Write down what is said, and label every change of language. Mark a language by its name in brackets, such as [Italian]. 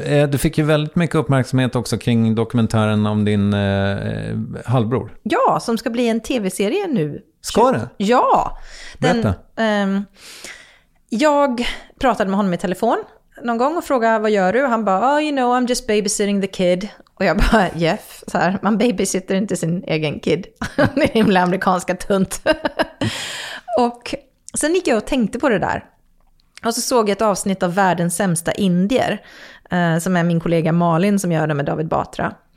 [Swedish] Du fick ju väldigt mycket uppmärksamhet också kring dokumentären om din halvbror. Ja, som ska bli en tv-serie nu. Ska det? Ja! Den, jag pratade med honom i telefon någon gång och frågade, vad gör du? Han bara, [English] oh, you know, I'm just babysitting the kid. [Swedish] Och jag bara, Jeff, så här, man babysitter inte sin egen kid. Det är himla amerikanska tunt. Och sen gick jag och tänkte på det där. Och så såg jag ett avsnitt av Världens sämsta indier, som är min kollega Malin som gör det med David Batra.